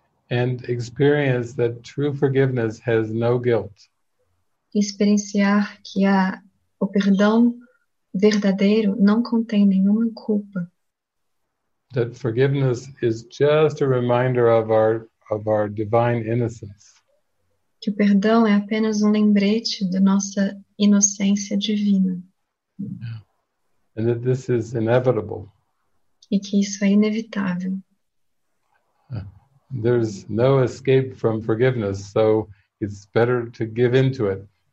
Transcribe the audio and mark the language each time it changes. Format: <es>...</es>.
<en>And experience that true forgiveness has no guilt.</en> <pt>E experienciar que o perdão verdadeiro não contém nenhuma culpa.</pt> <en>That forgiveness is just a reminder of our divine innocence.</en> <pt>Que o perdão é apenas um lembrete da nossa inocência divina.</pt> <en>Yeah. And that this is inevitable.</en> <pt>E que isso é inevitável.</pt> <en>There's no escape from forgiveness, so it's better to give into it.</en>